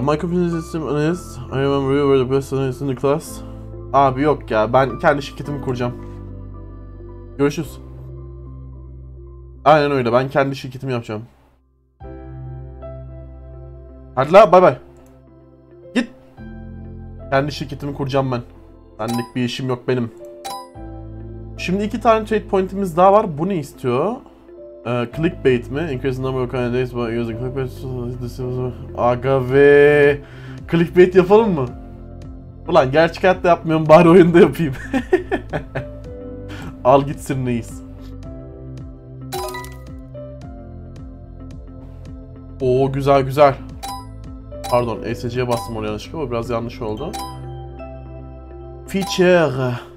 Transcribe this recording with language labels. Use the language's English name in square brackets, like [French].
[English] Microprocessing is. I remember you were the best in the class. [Turkish] Abi yok ya. Ben kendi şirketimi kuracağım. Görüşürüz. Aynen öyle. Ben kendi şirketimi yapacağım. Hadi la, bay bay. Git. Kendi şirketimi kuracağım ben. Benlik bir işim yok benim. Şimdi iki tane trade point'imiz daha var. Bu ne istiyor? Clickbait mi? [English] Increase the number of candidates by using clickbait. [Turkish] Aga ve clickbait yapalım mı? Ulan gerçek hayatta yapmıyorum, bari oyunda yapayım. Al gitsin neyiz. Oo güzel güzel. Pardon, ESC'ye bastım oraya yanlışlıkla, o biraz yanlış oldu. Feature.